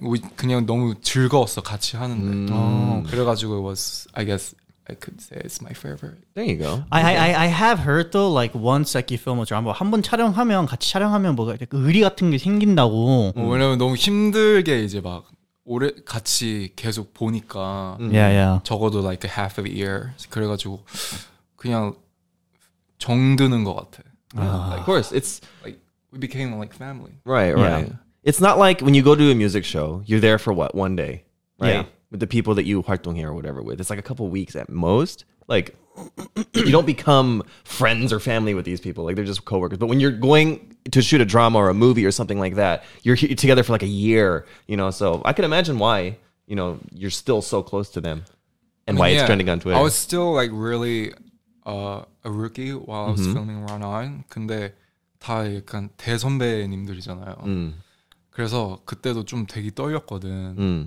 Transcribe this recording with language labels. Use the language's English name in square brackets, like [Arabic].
[English] We [Korean] 그냥 너무 즐거웠어 같이 하는데. 그래가지고 [English] it was, I guess I could say it's my favorite. There you go. I have heard though, like once like you film a drama, [Korean] 한번 촬영하면 같이 촬영하면 뭐가 의리 같은 게 생긴다고. 왜냐면 너무 힘들게 이제 막 오래 같이 계속 보니까. [English] Yeah, yeah. [Korean] 적어도 [English] like a half of a year. [Korean] 그래가지고 그냥 정드는 것 같아. [English] Of course, it's like we became like family. Right. Yeah. It's not like when you go to a music show, you're there for what, one day, right? Yeah. With the people that you 활동 here or whatever with. It's like a couple of weeks at most. Like, you don't become friends or family with these people. Like, they're just coworkers. But when you're going to shoot a drama or a movie or something like that, you're together for like a year, you know? So I can imagine why, you know, you're still so close to them and why it's trending on Twitter. I was still like really a rookie while I was filming Run On. [Korean] 근데 다 약간 대선배님들이잖아요. 그래서 그때도 좀 되게 떨렸거든.